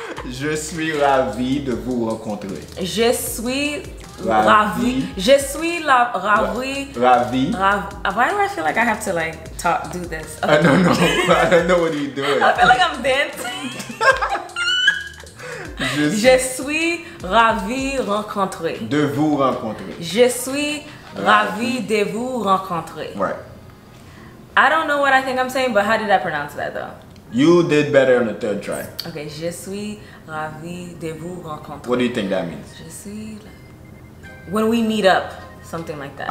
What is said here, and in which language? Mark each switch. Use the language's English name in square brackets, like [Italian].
[French] Je suis ravi de vous rencontrer. Je suis ravi. Je suis la, ravi. Ravi. [English] Why do I feel like I have to like talk, do this? Okay. I don't know. I don't know what you're doing. I feel like I'm dancing. [French] Je suis ravi rencontrer. De vous rencontrer. Je suis ravi de vous rencontrer. [English] Right. I don't know what I think I'm saying, but how did I pronounce that though? You did better on the third try. [French] Okay, je suis ravi de vous rencontrer. [English] What do you think that means? [French] Je suis... [English] When we meet up, something like that.